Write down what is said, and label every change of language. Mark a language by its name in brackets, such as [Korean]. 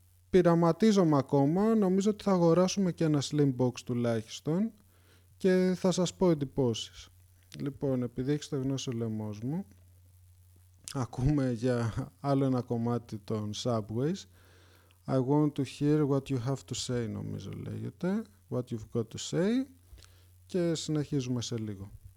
[Greek] Πειραματίζομαι ακόμα, νομίζω ότι θα αγοράσουμε και ένα Slimbox τουλάχιστον και θα σας πω εντυπώσεις. Λοιπόν, επειδή έχεις το γνώση ο λαιμός μου, ακούμε για άλλο ένα κομμάτι των Subways. [English] I want to hear what you have to say, [Greek] νομίζω λέγεται. [English] What you've got to say. [Greek] Και συνεχίζουμε σε λίγο.